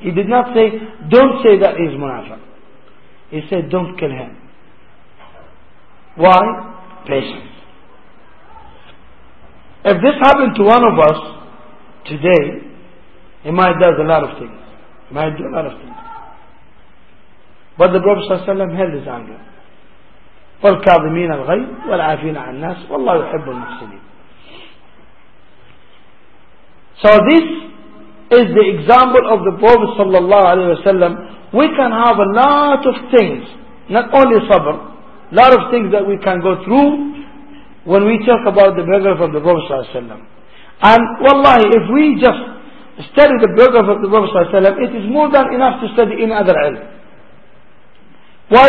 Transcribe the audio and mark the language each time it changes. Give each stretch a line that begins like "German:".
English: He did not say, don't say that he's munafiq. He said, don't kill him. Why? Patience. If this happened to one of us today, he might do a lot of things. He might do a lot of things. But the Prophet ﷺ held his anger.
Arabic: والكاظمين الغيظ والعافين عن الناس والله يحب المحسنين.
English: So this is the example of the Prophet ﷺ. We can have a lot of things, not only sabr, a lot of things that we can go through. When we talk about the biography of the Prophet ﷺ. And wallahi, if we just study the biography of the Prophet ﷺ, it is more than enough to study in other ilm. Why?